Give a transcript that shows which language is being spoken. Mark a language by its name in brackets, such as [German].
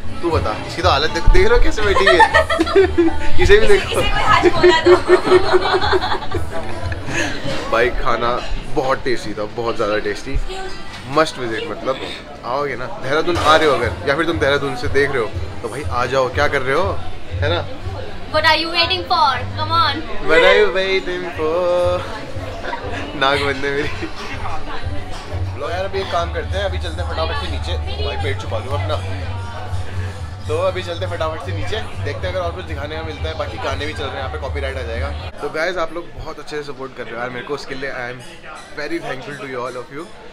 [Hindi] तू बता इसकी तो हालत देख रहे हो कैसे बैठी है किसे भी देखो भाई खाना बहुत टेस्टी था, बहुत ज्यादा टेस्टी, [English] Must visit. [Hindi] मतलब आओगे ना देहरादून, आ रहे हो अगर, या फिर तुम देहरादून से देख रहे हो तो भाई आ जाओ, क्या कर रहे हो, है ना। [English] What are you waiting for? Come on. What are you waiting for? [Hindi] नाक बंदे मेरी। लो यार अभी एक काम करते हैं, अभी चलते हैं फटाफट से नीचे, भाई पेट छुपा लूँ अपना। तो अभी चलते हैं फटाफट से नीचे, देखते हैं अगर और कुछ दिखाने का मिलता है, बाकी गाने भी चल रहे हैं यहाँ पे, कॉपीराइट आ जाएगा। तो गाइस आप लोग बहुत अच्छे से सपोर्ट कर रहे हो यार मेरे को, उसके लिए [English] I am very thankful to you all of you.